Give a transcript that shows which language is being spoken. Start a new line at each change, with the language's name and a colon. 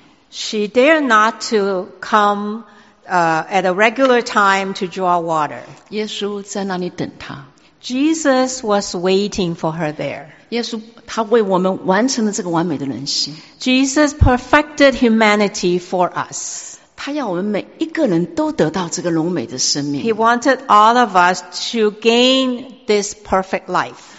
English: She dared not to come at a regular time to draw water.
Chinese: 耶稣在那里等她。
English: Jesus was waiting for her there.
Chinese: 耶稣他为我们完成了这个完美的人性。
English: Jesus perfected humanity for us.
Chinese: 他要我们每一个人都得到这个荣美的生命。
English: He wanted all of us to gain this perfect life.